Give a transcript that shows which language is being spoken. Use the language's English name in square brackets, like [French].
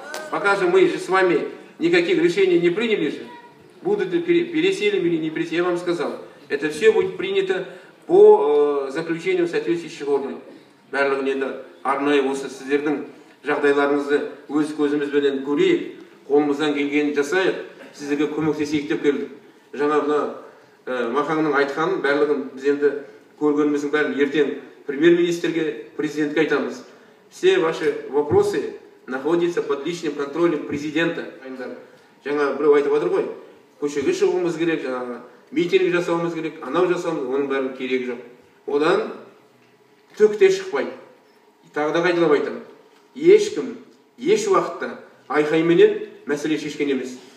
[Russian] Пока же мы же с вами никаких решений не приняли же, будут ли переселим или не переселим, я вам сказал, это все будет принято по заключению соответствующих органов. [Kazakh] Барлығын енді арнайы осы сіздердің жағдайларыңызды өз көзімізбенен көрейік, қолымыздан келгенін жасайық, сіздерге көмектесейік деп келдік. Жаңа бұна Махаңның айтқанын барлығын біз енді көргеніміздің бәрін ертен премьер-министерге, президентке айтамыз. [Russian] Все ваши вопросы находится под личным контролем президента. [Kazakh] Жаңа біреу айтып отыр ғой, көшеге шығуымыз керек, жаңа митинг жасауымыз керек, анау жасауымыз, оның бәрін керек жоқ. Одан түкте шықпай. Тағы да қайталап айтамын. Ешкім, еш уақытта айқайменен мәселе шешкен емес.